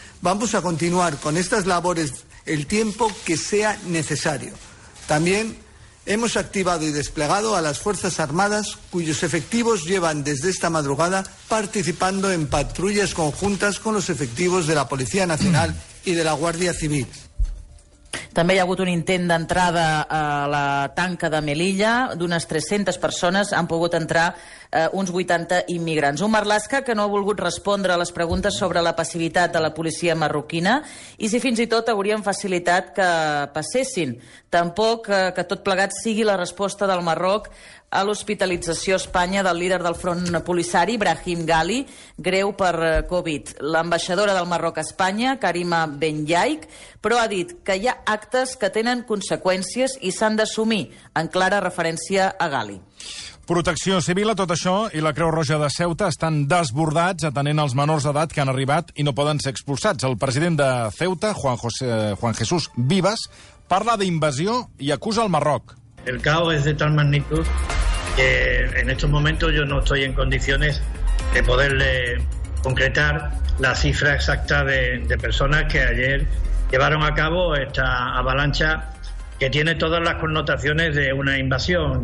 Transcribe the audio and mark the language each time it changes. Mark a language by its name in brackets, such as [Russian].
[Spanish] Vamos a continuar con estas labores el tiempo que sea necesario. También hemos activado y desplegado a las Fuerzas Armadas, cuyos efectivos llevan desde esta madrugada participando en patrullas conjuntas con los efectivos de la Policía Nacional y de la Guardia Civil. [Catalan] També hi ha hagut un intent d'entrada a la tanca de Melilla. D'unes 300 persones han pogut entrar uns 80 immigrants. Un Marlaska que no ha volgut respondre a les preguntes sobre la passivitat de la policia marroquina i si fins i tot haurien facilitat que passessin. Tampoc que tot plegat sigui la resposta del Marroc a l'hospitalització a Espanya del líder del front polisari, Brahim Ghali, greu per Covid. L'ambaixadora del Marroc a Espanya, Karima Benyaik, però ha dit que hi ha actes que tenen conseqüències i s'han d'assumir, en clara referència a Ghali. Protecció Civil a tot això i la Creu Roja de Ceuta estan desbordats atenent els menors d'edat que han arribat i no poden ser expulsats. El president de Ceuta, Juan Jesús Vives, parla d'invasió i acusa el Marroc. [Spanish] El caos es de tal magnitud que en estos momentos yo no estoy en condiciones de poderle concretar la cifra exacta de personas que ayer llevaron a cabo esta avalancha que tiene todas las connotaciones de una invasión.